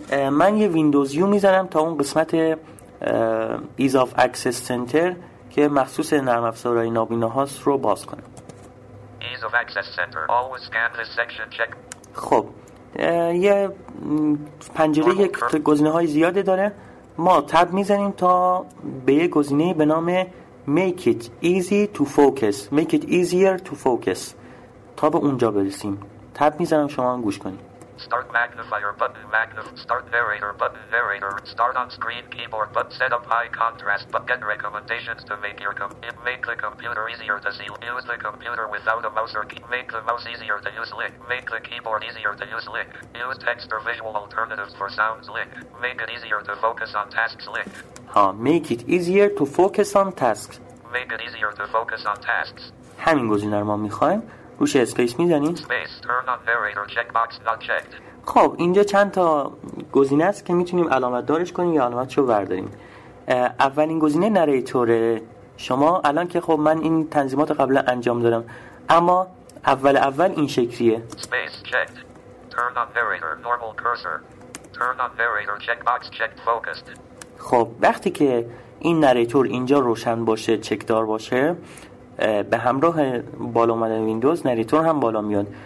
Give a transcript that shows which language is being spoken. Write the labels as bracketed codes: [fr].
[fa] من یه ویندوز یو میزنم تا اون قسمت ایز آف اکسس سنتر که مخصوص نرم افزارهای نابینا هاست رو باز کنم. [en] Ease of access center always scan this section check. [fa] خب یه پنجره یک گزینه های زیاده داره، ما تب میزنیم تا به یه گزینه به نام [en] make it easy to focus، [fa] make it easier to focus تا به اونجا برسیم. تب میزنم شما هم گوش کنید. [en] Start magnifier button, start narrator button, narrator start on screen keyboard button, set up high contrast button, get recommendations to make your make the computer easier to see, use the computer without a mouse or make the mouse easier to use, lick, make the keyboard easier to use, lick, use text or visual alternatives for sounds, lick, make it easier to focus on tasks, lick. make it easier to focus on tasks. Make it easier to focus on tasks. [fa] همین گزینه رو ما می‌خوایم. روش اسپیس می‌زنیم. [en] Space, turn on variator, checkbox not checked. [fa] خب اینجا چند تا گزینه است که میتونیم علامت دارش کنیم یا علامتش رو برداریم. اولین گزینه نریتور شما الان که خب من این تنظیمات قبلا انجام دارم، اما اول این شکلیه. [en] Space checked. Turn on variator, normal cursor. Turn on variator, checkbox checked, focused. [fa] خب وقتی که این نریتور اینجا روشن باشه، چکدار باشه، به همراه بالا اومدن ویندوز نریتور هم بالا میاد.